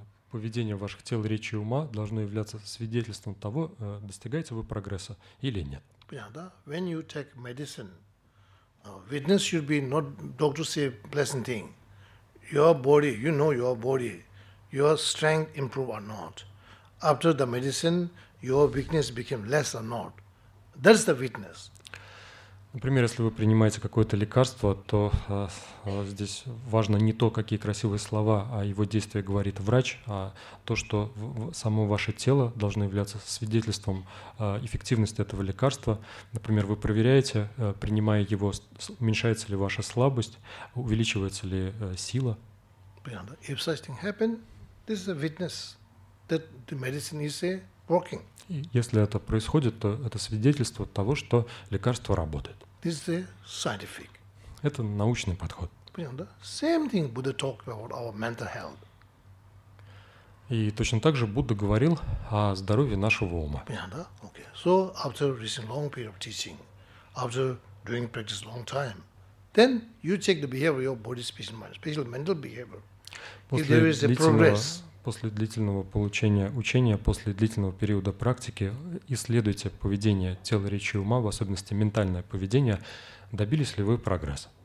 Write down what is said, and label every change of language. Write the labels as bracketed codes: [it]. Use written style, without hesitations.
[ru] Поведение ваших тел, речи и ума должно являться свидетельством того, достигаете вы прогресса или нет. Yeah, да? [en] When you take medicine, witness should be not doctor say pleasant thing. Your body, you know your body, your strength improve or not. After the medicine, your weakness became less or not. That's the witness. [ru] Например, если вы принимаете какое-то лекарство, то здесь важно не то, какие красивые слова о его действии говорит врач, а то, что само ваше тело должно являться свидетельством эффективности этого лекарства. Например, вы проверяете, принимая его, уменьшается ли ваша слабость, увеличивается ли сила. [en] If such thing happen, this is a witness that the medicine is working. [ru] Если это происходит, то это свидетельство того, что лекарство работает. [en] This is a scientific. [ru] Это научный подход. Понятно? [en] Same thing Buddha talked about our mental health. [ru] И точно так же Будда говорил о здоровье нашего ума. Понятно? Okay. [en] So after receiving long period of teaching, after doing practice long time, then you check the behavior of your body, speech and mind, especially mental behavior. If there is a progress. [ru] После длительного получения учения, после длительного периода практики, исследуйте поведение тела, речи и ума, в особенности ментальное поведение. Добились ли вы прогресса?